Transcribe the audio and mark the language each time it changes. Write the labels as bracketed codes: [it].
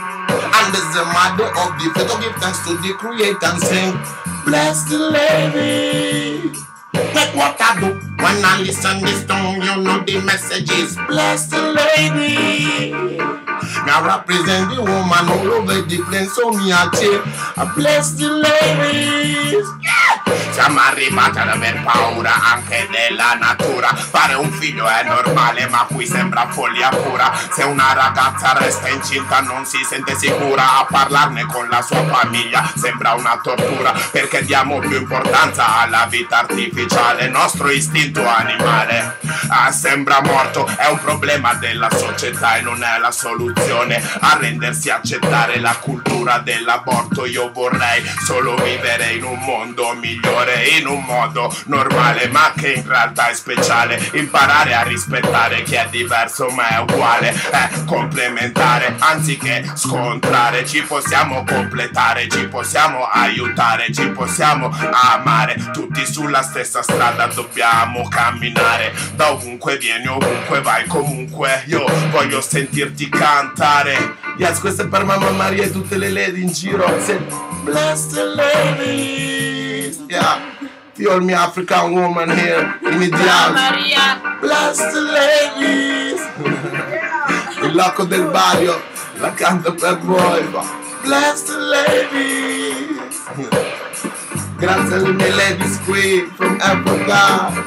[en] And as the mother of the faith, give thanks to the creator and sing, bless the lady. Make what I do. When I listen this tune, you know the messages, bless the lady. Me I represent the woman all over the place, so me I chill, I bless the ladies. [it] Siamo arrivati ad aver paura anche della natura. Fare un figlio è normale, ma qui sembra follia pura. Se una ragazza resta incinta non si sente sicura a parlarne con la sua famiglia, sembra una tortura. Perché diamo più importanza alla vita artificiale. Nostro istinto animale sembra morto. È un problema della società e non è la soluzione arrendersi e accettare la cultura dell'aborto. Io vorrei solo vivere in un mondo migliore, in un modo normale, ma che in realtà è speciale. Imparare a rispettare chi è diverso ma è uguale, è complementare anziché scontrare. Ci possiamo completare, ci possiamo aiutare, ci possiamo amare. Tutti sulla stessa strada dobbiamo camminare. Da ovunque vieni, ovunque vai, comunque io voglio sentirti cantare. Yes, questo è per mamma Maria e tutte le lady in giro. [en] Bless the lady. Yeah, you're my African woman here in the house. Maria, bless the ladies. [it] Il loco del barrio, la canta per voi. [en] Bless the ladies. [it] Grazie alle mie [en] ladies [it] qui [en] from Africa.